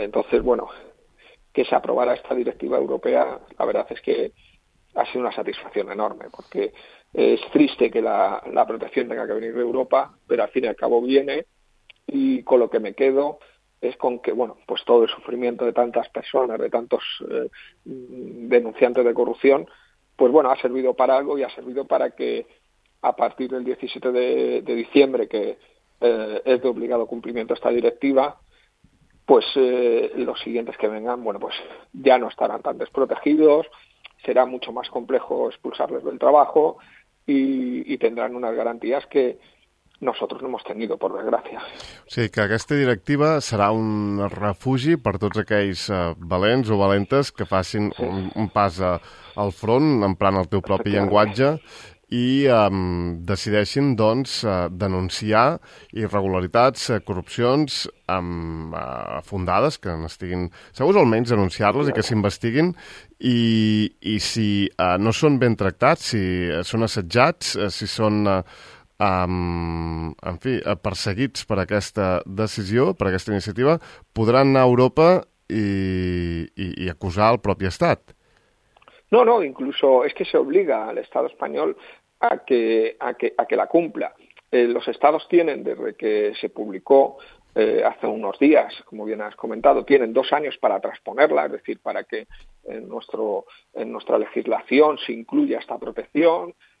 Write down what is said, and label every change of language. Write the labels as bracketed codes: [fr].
[es] Entonces, bueno, que se aprobara esta directiva europea, la verdad es que ha sido una satisfacción enorme, porque es triste que la protección tenga que venir de Europa, pero al fin y al cabo viene, y con lo que me quedo es con que, bueno, pues todo el sufrimiento de tantas personas, de tantos denunciantes de corrupción, pues bueno, ha servido para algo y ha servido para que a partir del 17 de diciembre, que es de obligado cumplimiento esta directiva, pues los siguientes que vengan, bueno, pues ya no estarán tan desprotegidos, será mucho más complejo expulsarles del trabajo y tendrán unas garantías que nosotros no hemos tenido, por desgracia. [ca] Sí, que aquesta directiva serà un refugi per tots aquells valents o valentes que facin un pas al front, emprant el teu propi llenguatge, i decideixin, doncs, denunciar irregularitats, corrupcions fundades, que n'estiguin segurs, almenys denunciar-les i que s'investiguin, i si no són ben tractats, si són assetjats, si són en fi, perseguits per aquesta decisió, per aquesta iniciativa, podran anar a Europa i acusar el propi estat. [es] No, incluso es que se obliga al Estado español a que la cumpla. Los estados tienen, desde que se publicó hace unos días, como bien has comentado, tienen 2 años para transponerla, es decir, para que en nuestra legislación se incluya esta protección.